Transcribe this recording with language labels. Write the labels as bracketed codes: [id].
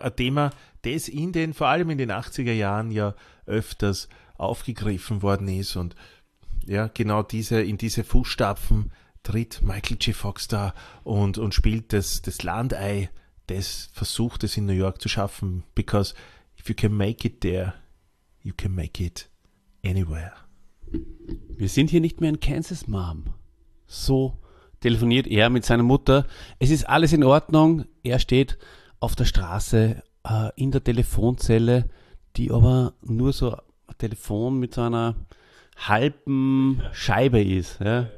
[de] Ein Thema, das vor allem in den 80er Jahren ja öfters aufgegriffen worden ist. Und ja, genau in diese Fußstapfen tritt Michael J. Fox da und spielt das Landei, das versucht, es in New York zu schaffen. [en] Because if you can make it there, you can make it anywhere. [de] Wir sind hier nicht mehr in Kansas, Mom. So telefoniert er mit seiner Mutter. Es ist alles in Ordnung. Er steht auf der Straße in der Telefonzelle, die aber nur so ein Telefon mit so einer halben Scheibe ist. Ja?